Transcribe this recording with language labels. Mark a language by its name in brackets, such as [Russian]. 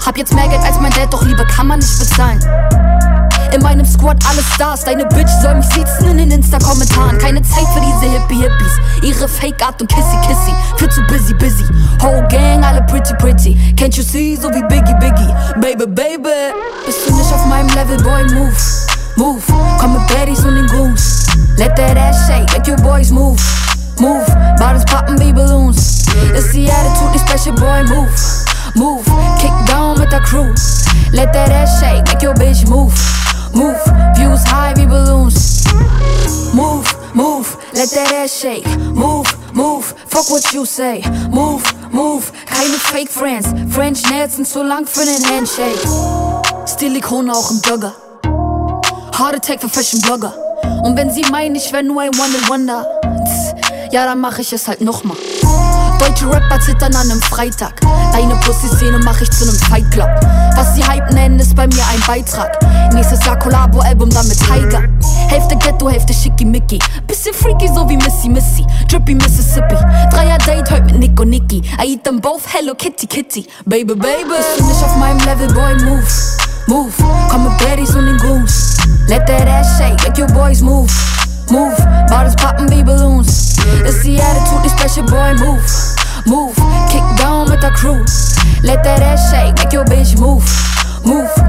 [German] Hab jetzt mehr Geld als mein Dad, doch Liebe kann man nicht bezahlen. In meinem Squad alle Stars, deine Bitch soll mich siezen in den Insta-Kommentaren. Keine Zeit für diese Hippie-Hippies, ihre Fake-Art und Kissy-Kissy. Viel zu busy, busy, whole gang, alle pretty, pretty. [English] Can't you see, [German] so wie Biggie, Biggie, baby, baby. Bist du nicht auf meinem Level, boy, move, move. Komm mit Baddies und den Goons. [English] Let that ass shake, let your boys move, move. Bottles [German] poppen wie [English] Balloons. [German] Ist die [English] Attitude, die special, boy, move, move. Kick down [German] mit der [English] Crew. Let that ass shake, make your bitch move, move. Views high wie Balloons. Move, move, let that ass shake. Move, move, fuck what you say. Move, move, keine fake friends. [German] French nails sind zu lang für nen Handshake. Stilikone auch im Burger. Heart attack für fashion Blogger. Und wenn sie meinen, ich wär nur ein One-in-Wonder, ja, dann mach ich es halt nochmal. Deutsche Rapper zittern an einem Freitag. Deine Pussy-Szene mach ich zu einem Fight Club. Was sie Hype nennen, ist bei mir ein Beitrag. Nächstes Jahr Collabo-Album dann mit Tiger. Hälfte Ghetto, Hälfte Schickimicki. Bisschen freaky, so wie Missy Missy. Drippy Mississippi. Dreier-Date heute mit Nick und Nicky. [English] I eat them both, hello Kitty Kitty. [German] Baby, baby. Bist du nicht auf meinem Level, boy, move, move. Komm mit Baddies und den Goons. [English] Let that ass shake, let your boys move, move. Bottles [German] poppen wie [English] Balloons. It's the attitude, the special boy, move, move. Kick down with the crew. Let that ass shake, make your bitch move, move.